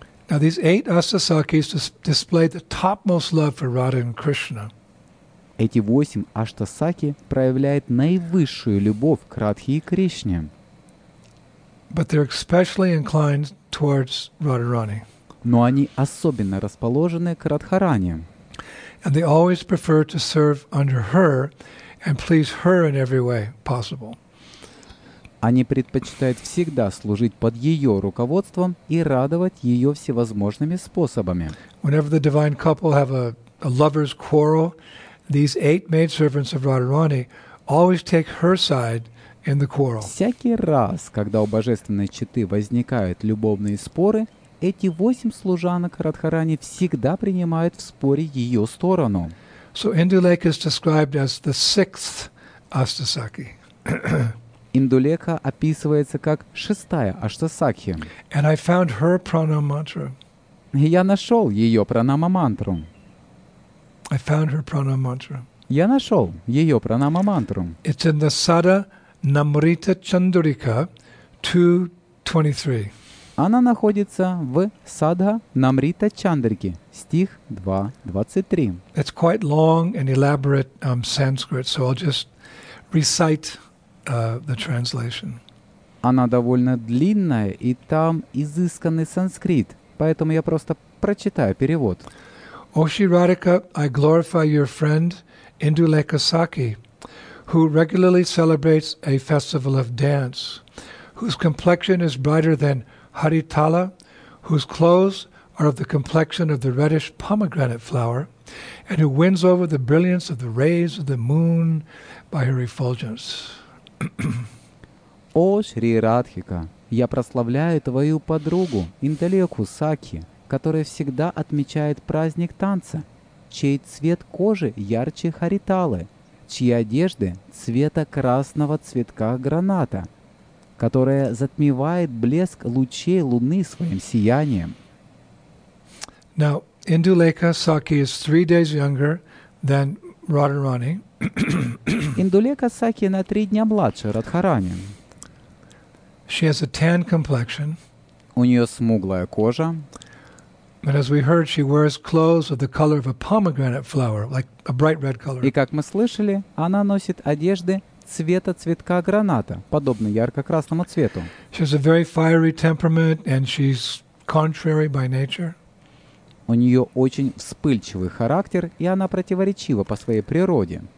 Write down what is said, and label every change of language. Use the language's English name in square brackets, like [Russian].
[English] Now these 8 Ashtasakhis display the topmost love for Radha and Krishna. [Russian] Эти 8 Ashtasakhi проявляют наивысшую любовь к Радхе и Кришне. [English] But they're especially inclined towards Radharani. [Russian] Но они особенно расположены к Радхарани. [English] And they always prefer to serve under her and please her in every way possible. [Russian] Они предпочитают всегда служить под ее руководством и радовать ее всевозможными способами. [English] Whenever the divine couple have a lover's quarrel, these 8 maidservants of Radharani always take her side in the quarrel. [Russian] Всякий раз, когда у божественной четы возникают любовные споры, эти 8 служанок Радхарани всегда принимают в споре ее сторону. [English] So Indulekha is described as the 6th Ashtasakhi. [Russian] Индулекха описывается как 6-я Ashtasakhi. [English] And I found her pranam mantra. [Russian] Я нашел ее пранама-мантру. [English] I found her pranam mantra. [Russian] Я нашел ее пранама-мантру. [English] It's in the Sada Namrita Chandrika 2.23. [Russian] Она находится в Sada Namrita Chandrika, стих 2.23. [English] It's quite long and elaborate Sanskrit, so I'll just recite the translation. [Russian] Она довольно длинная, и там изысканный санскрит, поэтому я просто прочитаю перевод. О Шри Радхика, [English] I glorify your friend Indulekha Sakhi, who regularly celebrates a festival of dance, whose complexion is brighter than Haritala, whose clothes are of the complexion of the reddish pomegranate flower, and who wins over the brilliance of the rays of the moon by her effulgence. [Russian] О, Шри Радхика, я прославляю твою подругу Индулекху Сакхи, которая всегда отмечает праздник танца, чей цвет кожи ярче Хариталы, чьи одежды цвета красного цветка граната, которая затмевает блеск лучей луны своим сиянием. [English] Now, Indulekha Sakhi is 3 days younger than Radharani. [Russian] Индулекха Сакхи на 3 дня младше Радхарани. [English] She has a tan complexion. [Russian] У нее смуглая кожа. [English] But as we heard, she wears clothes of the color of a pomegranate flower, like a bright red color. [Russian] И как мы слышали, она носит одежды цвета цветка граната, подобно ярко-красному цвету. [English] She has a very fiery temperament, and she's contrary by nature. [Russian] У нее очень вспыльчивый характер, и она противоречива по своей природе.